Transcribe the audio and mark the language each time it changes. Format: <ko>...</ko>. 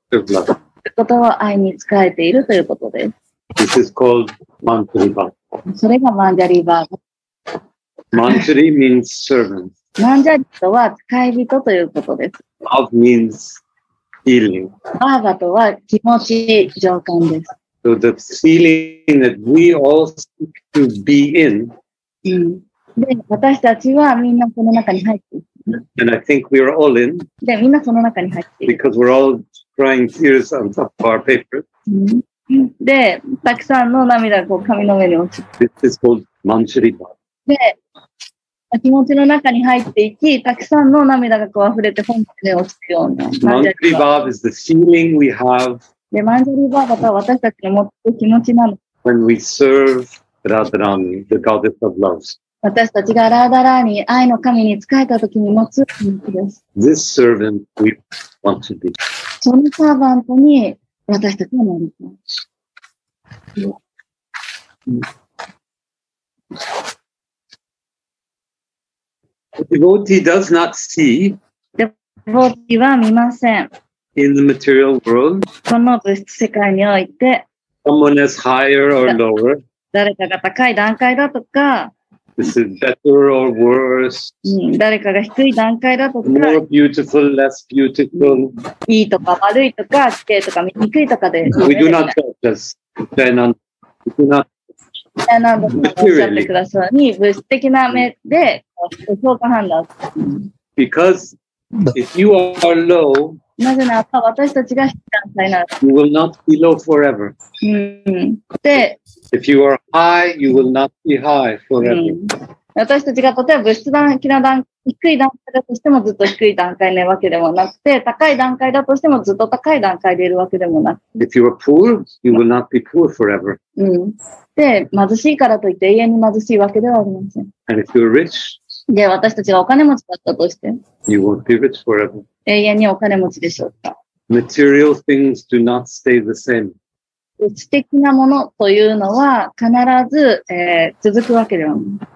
<ja>ということは愛に仕えているということです。</ja> <en>This is called Manjariva.</en> <ja>それがマンジャリバーグ。</ja> <en>マンジャリ means servant.</en> <ja>マンジャリとは仕え人ということです。</ja> <en>Love means feeling.</en> <ja>バーガとは気持ち情感です。</ja> <en>So the feeling that we all seek to be in.</en> <ja>で、私たちはみんなこの中に入っている。</ja> <en>And I think we are all in.</en> <ja>で、みんなその中に入っている。</ja> <en>Because we're all crying tears on top of our paper.</en> <ja>で、たくさんの涙がこう紙の上に落ちる。</ja> <en>This is called Manjariva.</en> <ja>で、気持ちの中に入っていき、たくさんの涙がこう溢れて本当に落ちるような。</ja> <en>マンジャリバーブ is the feeling we have.</en> <ja>で、マンジャリバーブは私たちの持っている気持ちなの。</ja> <en>When we serve Radharani, the goddess of love.</en> <ja>私たちがラーダラーニ、愛の神に仕えた時に持つ気持ちです。</ja> <en>This servant we want to be.</en> <ja>そのサーバントに私たちもなりたい。</ja> <en>Devotee does not see.</en> <ja>Devotee は見ません。</ja> <en>In the material world.</en> <ja>この物質世界において。</ja> <en>Someone is higher or lower.</en> <ja>誰かが高い段階だとか。</ja> <en>This is better or worse.</en> <ja>誰かが低い段階だとか。</ja> <en>More beautiful, less beautiful.</en> <ja>いいとか悪いとか、綺麗とか見にくいとかで。</ja> <en>We do not judge us. Jayananda. We do not.</en> <ja>Jayananda さんがおっしゃってくださるように、物質的な目で、評価判断。</ja> <en>Because if you are low,</en> <ja>なぜなら私たちが低い段階なら、</ja> <en>you will not be low forever.</en> <ja>で、</ja> <en>if you are high, you will not be high forever.</en> <ja>私たちが例えば物質的な段階、低い段階だとしてもずっと低い段階なわけでもなくて、高い段階だとしてもずっと高い段階でいるわけでもなくて。</ja> <en>If you are poor, you will not be poor forever.</en> <ja>で、貧しいからといって永遠に貧しいわけではありません。</ja> <en>And if you are rich,</en> <ja>で、私たちがお金持ちだったとして、</ja> <en>you won't be rich forever.</en> <ja>永遠にお金持ちでしょうか。</ja> <en>Material things do not stay the same.</en> <ja>物質的なものというのは必ず、続くわけではない。</ja>